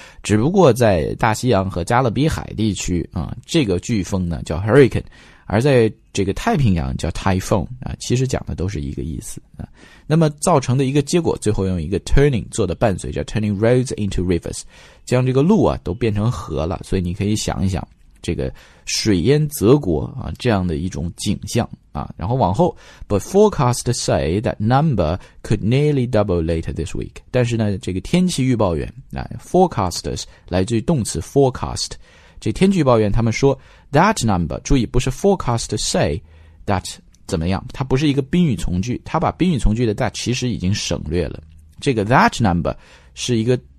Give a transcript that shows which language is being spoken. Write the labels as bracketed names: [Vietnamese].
[Chinese] 只不过在大西洋和加勒比海地区啊，这个飓风呢叫 Hurricane, 而在这个太平洋叫 Typhoon, 啊，其实讲的都是一个意思啊。那么造成的一个结果最后用一个 turning 做的伴随，叫 [English] turning roads into rivers, [Chinese] 将这个路啊都变成河了，所以你可以想一想。这个水淹泽国啊，这样的一种景象啊，然后往后 ， [English] But forecast say that number could nearly double later this week. [Chinese] 但是呢，这个天气预报员啊 ，forecasters 来自于动词 forecast， 这天气预报员他们说 that number， 注意不是 forecast say that 怎么样，它不是一个宾语从句，它把宾语从句的 that 其实已经省略了，这个 that number 是一个。